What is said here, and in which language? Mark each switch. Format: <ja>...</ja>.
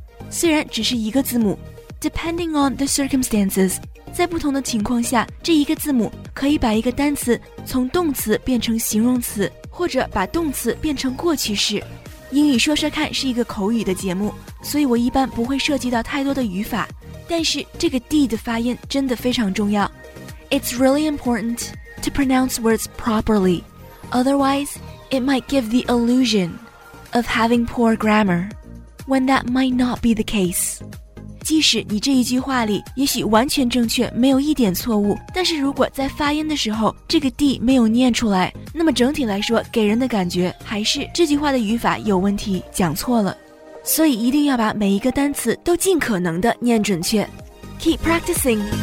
<zh>虽然只是一个字母</zh> <en>depending on the circumstances</en> <zh>在不同的情况下这一个字母可以把一个单词从动词变成形容词或者把动词变成过去式英语说说看是一个口语的节目所以我一般不会涉及到太多的语法但是这个 D 的发音真的非常重要。</zh> <en>It's really important to pronounce words properly. Otherwise, it might give the illusion of having poor grammar, when that might not be the case.</en> <zh>即使你这一句话里也许完全正确，没有一点错误，但是如果在发音的时候这个 D 没有念出来，那么整体来说给人的感觉还是这句话的语法有问题，讲错了。所以一定要把每一个单词都尽可能的念准确</zh> <en>Keep practicing</en>